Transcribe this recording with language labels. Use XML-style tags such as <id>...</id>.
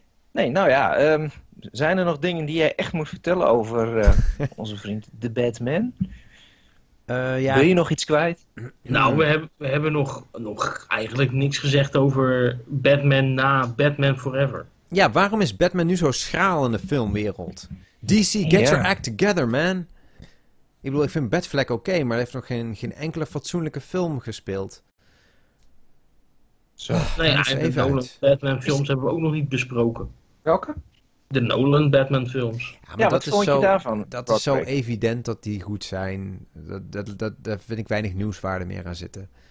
<nl>Nee, nou ja... Zijn er nog dingen die jij echt moet vertellen over onze vriend de Batman? Wil je nog iets kwijt? Nou, we hebben nog eigenlijk niks gezegd over Batman na Batman Forever. Ja, waarom is Batman nu zo schraal in de filmwereld?</nl> <en>DC, get your act together, man.</en> <nl>Ik bedoel, ik vind Batfleck oké, maar hij heeft nog geen enkele fatsoenlijke film gespeeld. Zo. Nee, en de Nolan Batman films hebben we ook nog niet besproken. Welke? De Nolan Batman films. Dat is zo evident dat die goed zijn. Daar vind ik weinig nieuwswaarde meer aan zitten.</nl>